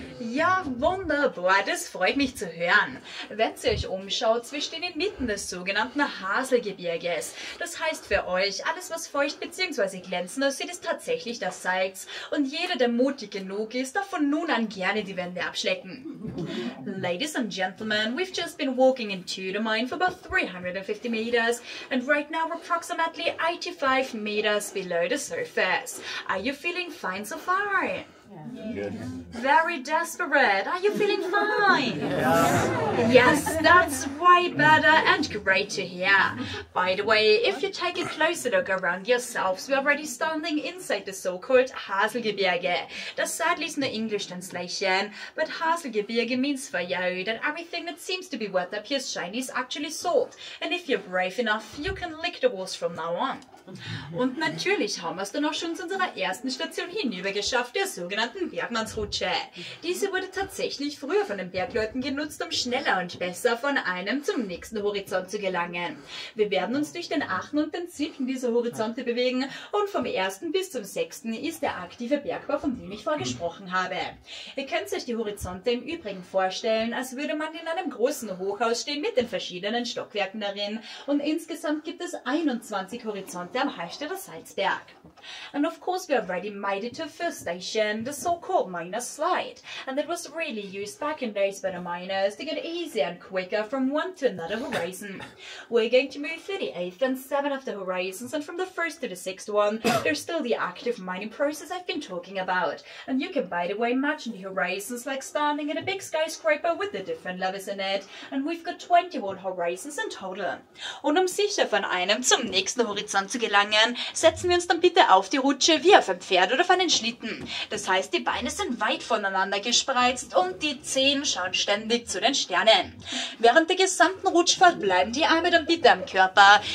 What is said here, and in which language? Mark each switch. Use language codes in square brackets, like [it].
[de] Ja, wunderbar, das freut mich zu hören. Wenn ihr euch umschaut, wir stehen inmitten des sogenannten Haselgebirges. Das heißt für euch, alles was feucht bzw. glänzend aussieht, ist tatsächlich das Salz. Und jeder, der mutig genug ist, darf von nun an gerne die Wände abschlecken. [en] Ladies and gentlemen, we've just been walking into the mine for about 350 meters and right now we're approximately 85 meters below the surface. Are you feeling fine so far? Yeah. Very desperate. Are you feeling fine? Yeah. Yes, that's way better and great to hear. By the way, if you take a closer look around yourselves, we're already standing inside the so-called Haselgebirge. That sadly is no English translation, but Haselgebirge means for you that everything that seems to be worth up here is shiny is actually salt. And if you're brave enough, you can lick the walls from now on. [de] Und natürlich haben wir es dann auch schon zu unserer ersten Station hinübergeschafft, der sogenannten Bergmannsrutsche. Diese wurde tatsächlich früher von den Bergleuten genutzt, um schneller und besser von einem zum nächsten Horizont zu gelangen. Wir werden uns durch den 8. und den 7. dieser Horizonte bewegen und vom 1. bis zum 6. ist der aktive Bergbau, von dem ich vorher gesprochen habe. Ihr könnt euch die Horizonte im Übrigen vorstellen, als würde man in einem großen Hochhaus stehen mit den verschiedenen Stockwerken darin und insgesamt gibt es 21 Horizonte am Hallstätter Salzberg. [en] And of course we already made it to a first station, the so-called miner's slide. And that was really used back in days by the miners to get easier and quicker from one to another horizon. We're going to move through the 8th and 7th of the horizons and from the 1st to the 6th one, there's still the active mining process I've been talking about. And you can by the way imagine the horizons like standing in a big skyscraper with the different levels in it. And we've got 21 horizons in total. [de] Und um sicher von einem zum nächsten Horizont zu gelangen, setzen wir uns dann bitte auf die Rutsche wie auf ein Pferd oder auf einen Schlitten. Das heißt, die Beine sind weit voneinander gespreizt und die Zehen schauen ständig zu den Sternen. Während der gesamten Rutschfahrt bleiben die Arme dann bitte am Körper.